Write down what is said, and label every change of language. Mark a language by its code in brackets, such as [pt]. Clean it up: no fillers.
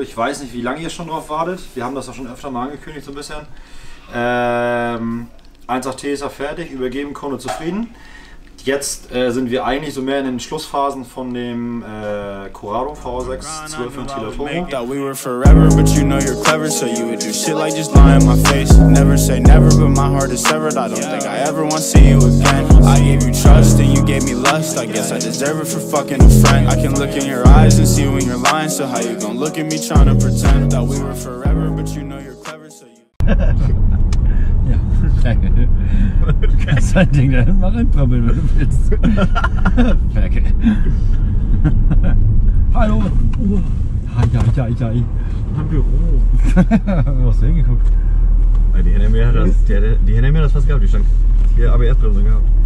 [de] Ich weiß nicht, wie lange ihr schon drauf wartet. Wir haben das auch schon öfter mal angekündigt, so ein bisschen. 18T ist ja fertig. Übergeben, Kunde zufrieden. Jetzt sind wir eigentlich so mehr in den Schlussphasen von dem Corrado V6 12 Ventiler Turbo. [en] Thought we were forever, but you know you're clever, so you would do shit like just lie in my face. Never say never, but my heart is severed. I don't think I ever want to see you again. I gave you trust and you gave me lust. I guess I deserve it for fucking a friend. I can look in your eyes and see when you're lying. So how you gonna look at me trying to pretend? Thought we were forever, but you know you're clever, so you. [de] Ferkel. Okay. Kannst dein Ding da mal reinprabbeln, wenn du willst. Ferkel. Hallo. Hi. Mein Büro. Wo hast du hingeguckt? Die NMR hat das, die NMR hat das fast gehabt, die stand hier ABS-Bremsung gehabt.